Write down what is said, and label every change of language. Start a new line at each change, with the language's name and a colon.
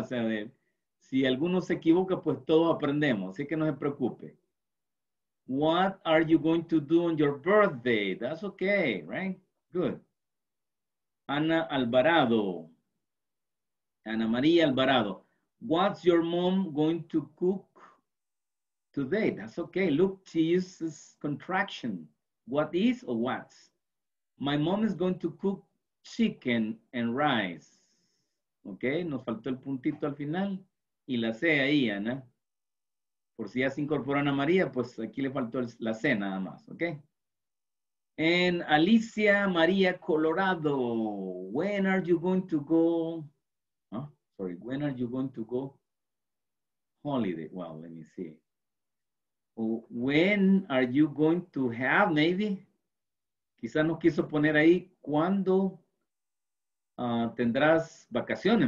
Spanish: O sea, de, si alguno se equivoca, pues todos aprendemos. Así que no se preocupe.
English: What are you going to do on your birthday? That's okay, right? Good. Ana Alvarado. Ana María Alvarado. What's your mom going to cook today? That's okay. Look, she uses contraction. What is or what? My mom is going to cook chicken and rice.
Spanish: Okay, nos faltó el puntito al final. Y la C ahí, Ana. Por si ya se incorporó Ana María, pues aquí le faltó la C nada más, ¿ok?
English: And Alicia María Colorado, when are you going to go? Huh? Sorry, when are you going to go? Holiday, well, let me see. Oh, when are you going to have, maybe?
Spanish: Quizás nos quiso poner ahí, ¿cuándo tendrás vacaciones?